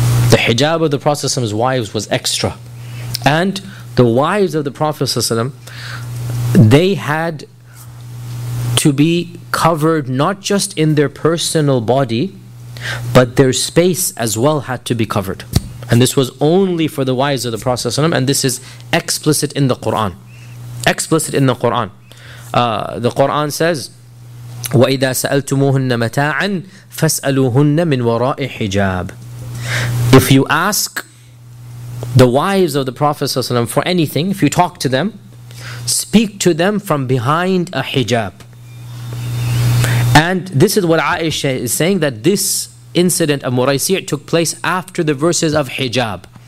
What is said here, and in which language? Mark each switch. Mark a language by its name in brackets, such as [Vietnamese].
[English] The hijab of the Prophet's wives was extra. And the wives of the Prophet, they had to be covered not just in their personal body, but their space as well had to be covered. And this was only for the wives of the Prophet, and this is explicit in the Quran. Explicit in the Quran. The Quran says, [Arabic] وَإِذَا سَأَلْتُمُوهُنَّ مَتَاعًا فَاسْأَلُوهُنَّ مِنْ وَرَاءِ حِجَابٍ. [English] If you ask the wives of the Prophet ﷺ for anything, if you talk to them, speak to them from behind a hijab. And this is what Aisha is saying, that this incident of Muraysi' took place after the verses of hijab.